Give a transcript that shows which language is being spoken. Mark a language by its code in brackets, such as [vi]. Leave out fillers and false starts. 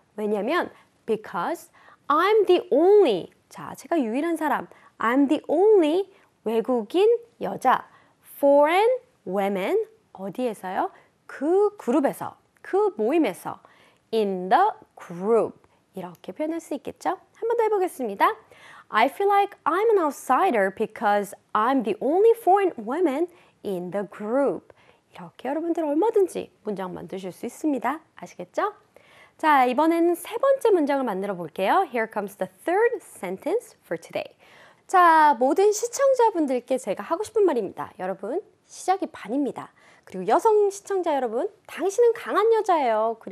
[ko] 왜냐면, [en] because I'm the only. [ko] 자, 제가 유일한 사람. [en] I'm the only [ko] 외국인 여자. [en] Foreign women. [ko] 어디에서요? 그 그룹에서. 그 모임에서. [en] In the group. [ko] 이렇게 표현할 수 있겠죠? 한번더 해보겠습니다. [en] I feel like I'm an outsider because I'm the only foreign woman in the group. [ko] 이렇게 여러분들 얼마든지 문장 만드실 수 있습니다. 아시겠죠? 자, 이번에는 세 번째 문장을 만들어 볼게요. [en] Here comes the third sentence for today. [ko] 자, 모든 시청자분들께 제가 하고 싶은 말입니다. 여러분, 시작이 반입니다. 그리고 여성 시청자 여러분, 당신은 강한 여자예요.